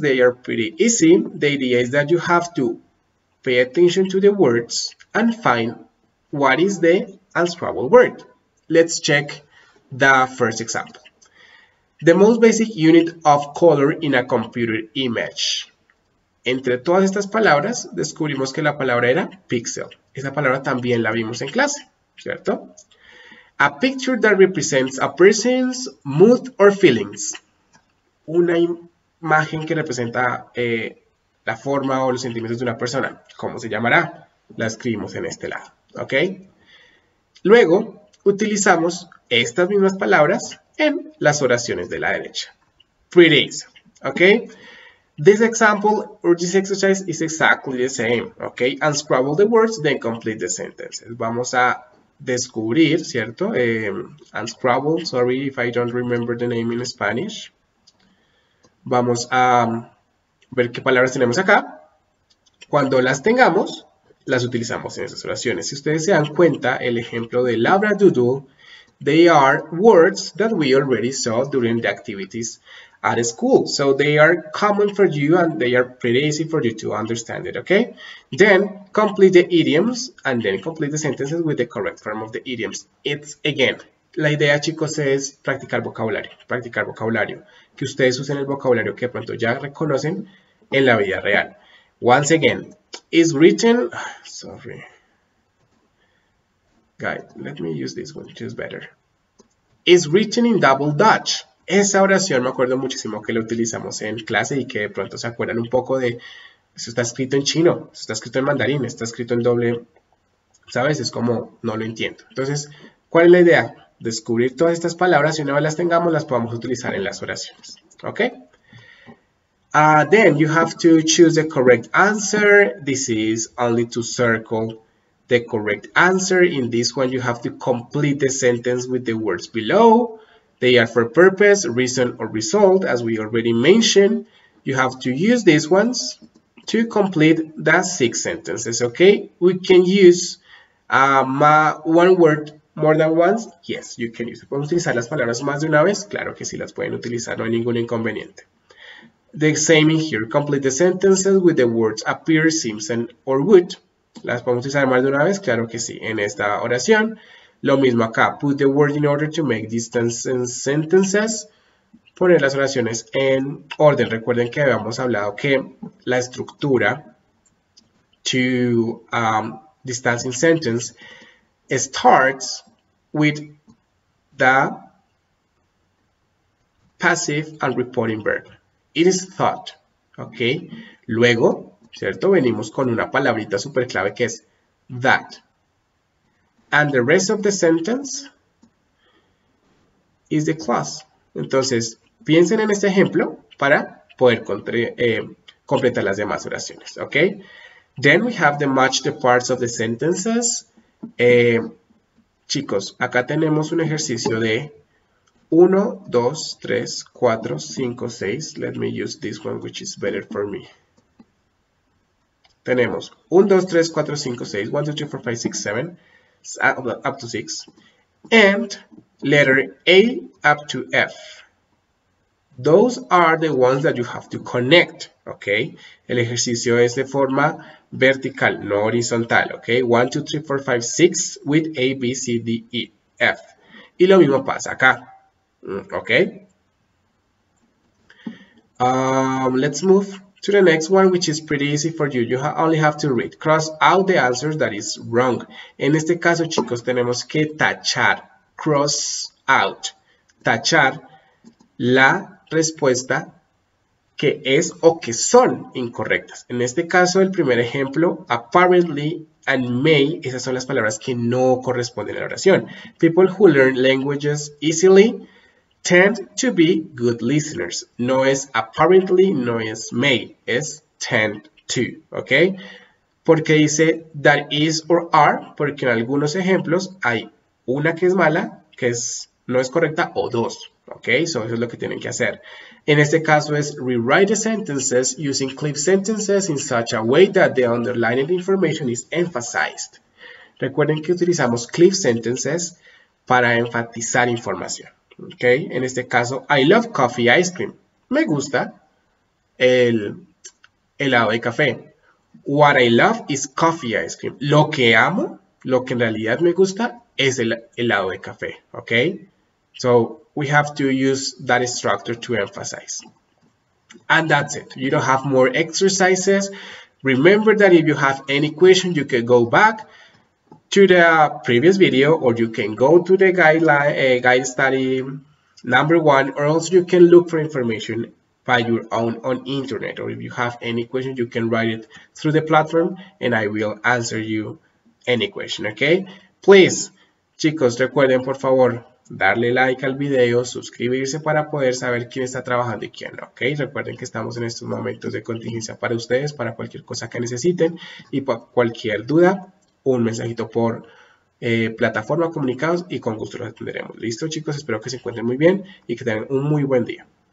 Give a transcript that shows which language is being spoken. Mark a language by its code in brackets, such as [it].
[en] They are pretty easy. The idea is that you have to pay attention to the words and find what is the unscrabble word. Let's check the first example. The most basic unit of color in a computer image. [es] Entre todas estas palabras, descubrimos que la palabra era pixel. Esa palabra también la vimos en clase, ¿cierto? [en] A picture that represents a person's mood or feelings. [es] Una imagen que representa la forma o los sentimientos de una persona. ¿Cómo se llamará? La escribimos en este lado, ¿ok? Luego, utilizamos estas mismas palabras en las oraciones de la derecha. [en] Pretty easy, ¿ok? This example or this exercise is exactly the same, okay? Unscrabble the words, then complete the sentences. [es] Vamos a descubrir, ¿cierto? [en] Unscrabble, sorry if I don't remember the name in Spanish. [es] Vamos a ver qué palabras tenemos acá. Cuando las tengamos, las utilizamos en esas oraciones. Si ustedes se dan cuenta, el ejemplo de labradoodle, [en] they are words that we already saw during the activities at school. So they are common for you and they are pretty easy for you to understand it, okay? Then complete the idioms and then complete the sentences with the correct form of the idioms. It's again, [es] la idea, chicos, es practicar vocabulario, que ustedes usen el vocabulario que pronto ya reconocen en la vida real. [en] Once again, is written, sorry. Guys, let me use this one, which is better. Is written in double Dutch. [es] Esa oración me acuerdo muchísimo que la utilizamos en clase y que de pronto se acuerdan un poco de eso. Está escrito en chino, eso está escrito en mandarín, está escrito en doble, ¿sabes? Es como, no lo entiendo. Entonces, ¿cuál es la idea? Descubrir todas estas palabras y una vez las tengamos, las podamos utilizar en las oraciones, ¿ok? [en] Then you have to choose the correct answer. This is only to circle the correct answer. In this one, you have to complete the sentence with the words below. They are for purpose, reason, or result, as we already mentioned. You have to use these ones to complete the six sentences, okay? We can use one word more than once. Yes, you can use it. [es] ¿Pueden utilizar las palabras más de una vez? Claro que sí, las pueden utilizar, no hay ningún inconveniente. [en] The same in here. Complete the sentences with the words appear, seems, and or would. [es] ¿Las podemos utilizar más de una vez? Claro que sí. En esta oración, lo mismo acá. [en] Put the word in order to make distance and sentences. [es] Poner las oraciones en orden. Recuerden que habíamos hablado que la estructura [en] to distance in sentence starts with the passive and reporting verb. It is thought, ¿ok? [es] Luego, ¿cierto? Venimos con una palabrita súper clave que es that. [en] And the rest of the sentence is the clause. [es] Entonces, piensen en este ejemplo para poder completar las demás oraciones, ¿ok? [en] Then we have the match the parts of the sentences. [es] Chicos, acá tenemos un ejercicio de 1, 2, 3, 4, 5, 6. [en] Let me use this one, which is better for me. [es] Tenemos 1, 2, 3, 4, 5, 6. 1, 2, 3, 4, 5, 6, 7. [en] Up to 6. And letter A up to F. Those are the ones that you have to connect, ¿ok? [es] El ejercicio es de forma vertical, no horizontal, ¿ok? [en] 1, 2, 3, 4, 5, 6 with A, B, C, D, E, F. [es] Y lo mismo pasa acá. Okay. [en] Let's move to the next one, which is pretty easy for you. You only have to read. Cross out the answers that is wrong. [es] En este caso, chicos, tenemos que tachar, [en] cross out, [es] tachar la respuesta que es o que son incorrectas. En este caso, el primer ejemplo, [en] apparently and may, [es] esas son las palabras que no corresponden a la oración. [en] People who learn languages easily tend to be good listeners. [es] No es apparently, no es may, es [en] tend to, [es] ¿ok? Porque dice [en] that is or are, [es] porque en algunos ejemplos hay una que es mala, que es, no es correcta, o dos, Ok, eso es lo que tienen que hacer. En este caso es [en] rewrite the sentences using clip sentences in such a way that the underlined information is emphasized. [es] Recuerden que utilizamos clip sentences para enfatizar información. Ok, en este caso, [en] I love coffee ice cream. [es] Me gusta el helado de café. [en] What I love is coffee ice cream. [es] Lo que amo, lo que en realidad me gusta, es el helado de café. [en] Ok, so we have to use that structure to emphasize. And that's it. You don't have more exercises. Remember that if you have any question, you can go back to the previous video, or you can go to the guide study number one, or also you can look for information by your own on internet. Or if you have any question, you can write it through the platform and I will answer you any question. Okay? Please, [es] chicos, recuerden por favor darle like al video, suscribirse para poder saber quién está trabajando y quién no, ¿ok? Recuerden que estamos en estos momentos de contingencia para ustedes, para cualquier cosa que necesiten y para cualquier duda, un mensajito por plataforma comunicados y con gusto los atenderemos. Listo, chicos, espero que se encuentren muy bien y que tengan un muy buen día.